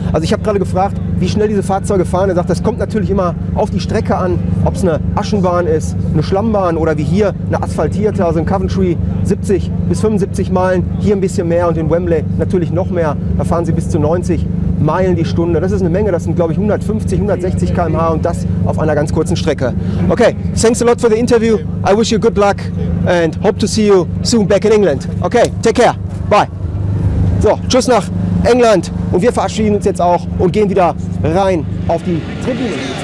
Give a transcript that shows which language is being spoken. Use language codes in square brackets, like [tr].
[de] Also ich habe gerade gefragt, wie schnell diese Fahrzeuge fahren. Er sagt, das kommt natürlich immer auf die Strecke an, ob es eine Aschenbahn ist, eine Schlammbahn oder wie hier eine asphaltierte, also in Coventry 70 bis 75 Meilen, hier ein bisschen mehr und in Wembley natürlich noch mehr. Da fahren sie bis zu 90 Meilen die Stunde. Das ist eine Menge, das sind glaube ich 150, 160 km/h und das auf einer ganz kurzen Strecke. [en] Okay, thanks a lot for the interview. I wish you good luck. And hope to see you soon back in England. Okay, take care. Bye. [de] So, tschüss nach England. Und wir verabschieden uns jetzt auch und gehen wieder rein auf die Tribüne.